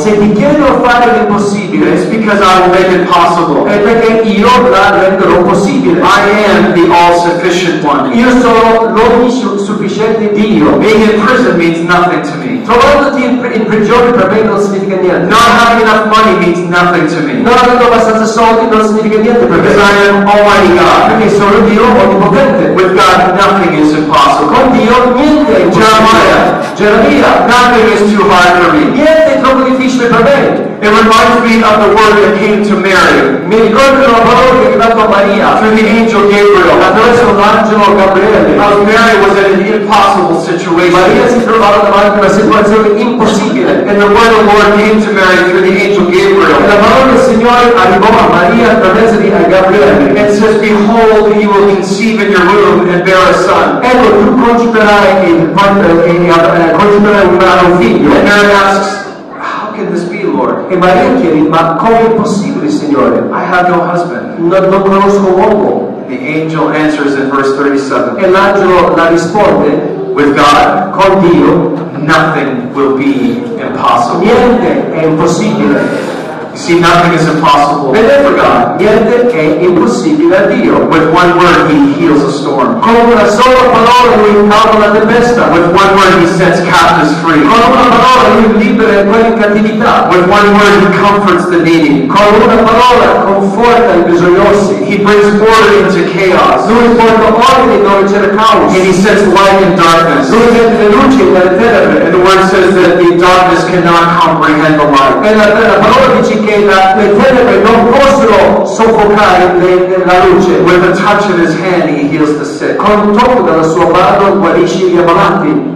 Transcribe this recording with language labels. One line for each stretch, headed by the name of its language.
Italian: se ti chiedo a fare l'impossibile,
English: it's because I will make it possible.
Italian: È perché io la renderò possibile.
English: I am the all-sufficient one.
Italian: Io sono l'onnisufficiente Dio.
English: Being in prison means nothing to me.
Italian: Trovandoti in prigione per me non significa niente.
English: Not having enough money means nothing to me.
Italian: Non avendo abbastanza soldi non significa niente per me.
English: Because I am Almighty God.
Italian: Perché sono Dio onnipotente.
English: With God, nothing is impossible.
Italian: Con Dio niente è impossibile. Geremia.
English: Nothing is too hard for me.
Italian: Niente è troppo difficile per me.
English: It reminds me of the word that came to Mary.
Italian: Mi ricordo la parola che è arrivata a Maria.
English: Through the angel Gabriel.
Italian: Attraverso l'angelo Gabriele.
English: How Mary was in an impossible situation.
Italian: Maria si trovava davanti a una situazione impossibile.
English: And the word of the Lord came to Mary through the angel Gabriel.
Italian: E la parola del Signore arrivò a Maria attraverso di Gabriele.
English: It says, behold, you will conceive in your womb and bear a son.
Italian: Ecco, tu concepirai un figlio.
English: And Mary asks, can this be, Lord?
Italian: E Maria chiede, ma come è possibile, Signore?
English: I have no husband.
Italian: Non conosco uomo.
English: The angel answers in verse 37.
Italian: E l'angelo la risponde.
English: With God.
Italian: Con Dio.
English: Nothing will be impossible.
Italian: Niente è impossibile.
English: You see, nothing is impossible.
Italian: Vedete,
English: for God.
Italian: Niente è impossibile a Dio.
English: With one word, He heals a storm.
Italian: Con una sola parola, Lui calma la tempesta.
English: With one word, He sets captives free.
Italian: Con una parola, Lui libera quelli in cattività.
English: With one word, He comforts the needy.
Italian: Con una parola, conforta i bisognosi.
English: He brings order into chaos.
Italian: Lui porta ordine dove c'era caos.
English: And He sets light in darkness.
Italian: Lui mette luce nelle tenebre.
English: And the word says that the darkness cannot comprehend the light.
Italian: E la parola dice che le tenebre non possono soffocare la luce.
English: With a touch of His hand, He heals the sick.
Italian: Con un tocco della sua mano guarisce gli ammalati.